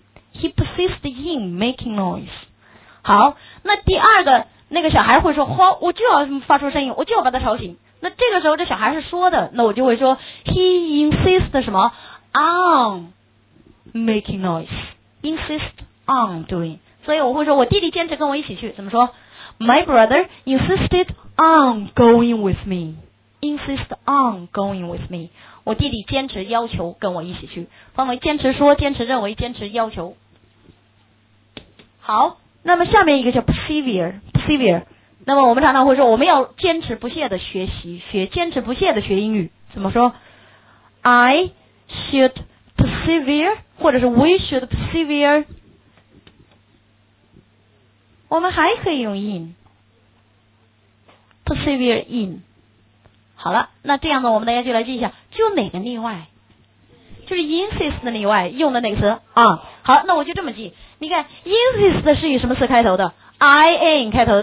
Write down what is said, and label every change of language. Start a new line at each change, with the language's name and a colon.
English: he persists in making noise。
Chinese: 好，那第二个那个小孩会说哗，我就要发出声音，我就要把他吵醒，那这个时候这小孩是说的，那我就会说
English: he insists
Chinese: 什么
English: on making noise， insist on doing。
Chinese: 所以我会说我弟弟坚持跟我一起去，怎么说？
English: My brother insisted on going with me， insist on going with me。
Chinese: 我弟弟坚持要求跟我一起去，分为坚持说、坚持认为、坚持要求。好，那么下面一个叫 persevere。那么我们常常会说，我们要坚持不懈的学习，坚持不懈的学英语。怎么说
English: ？I should persevere，
Chinese: 或者是
English: We should persevere。
Chinese: 我们还可以用 in， persevere in。好了，那这样呢，我们大家就来记一下，就哪个例外？就是 insist 的例外，用的那个词啊。好，那我就这么记。你看 ，insist 是以什么词开头的 ？in 开头。